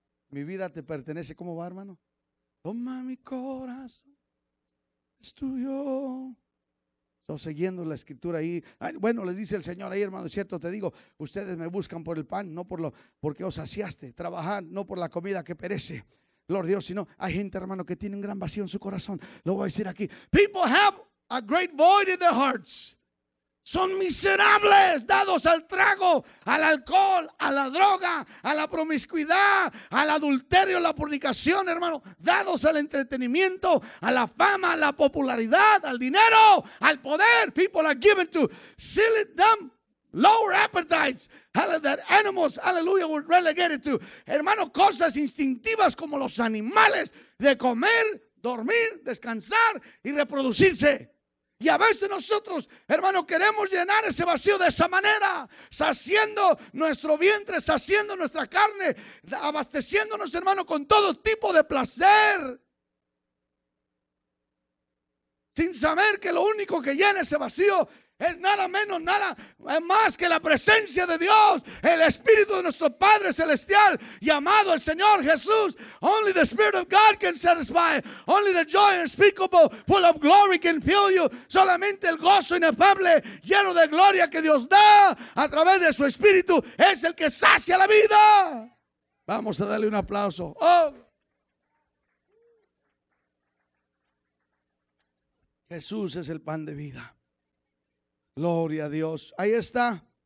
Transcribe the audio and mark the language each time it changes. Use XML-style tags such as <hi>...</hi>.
<es>Mi vida te pertenece. ¿Cómo va, hermano? Toma mi corazón, es tuyo. Estoy siguiendo la escritura ahí. Bueno, les dice el Señor ahí, hermano, es cierto, te digo, ustedes me buscan por el pan, no por lo porque os saciaste. Trabajar no por la comida que perece, Lord Dios, sino hay gente, hermano, que tiene un gran vacío en su corazón. Lo voy a decir aquí.</es> <en>People have a great void in their hearts.</en> <es>Son miserables, dados al trago, al alcohol, a la droga, a la promiscuidad, al adulterio, la fornicación, hermano. Dados al entretenimiento, a la fama, a la popularidad, al dinero, al poder.</es> <en>People are given to silly, dumb, lower appetites. That animals, hallelujah, were relegated to.</en> <es>Hermano, cosas instintivas como los animales de comer, dormir, descansar y reproducirse. Y a veces nosotros, hermano, queremos llenar ese vacío de esa manera, saciando nuestro vientre, saciando nuestra carne, abasteciéndonos, hermano, con todo tipo de placer, sin saber que lo único que llena ese vacío es nada menos, nada más que la presencia de Dios, el Espíritu de nuestro Padre Celestial, llamado el Señor Jesús.</es> <en>Only the Spirit of God can satisfy. Only the joy unspeakable, full of glory, can fill you.</en> <es>Solamente el gozo inefable, lleno de gloria que Dios da a través de su Espíritu, es el que sacia la vida. Vamos a darle un aplauso. Oh, Jesús es el pan de vida. Gloria a Dios. Ahí está.</es>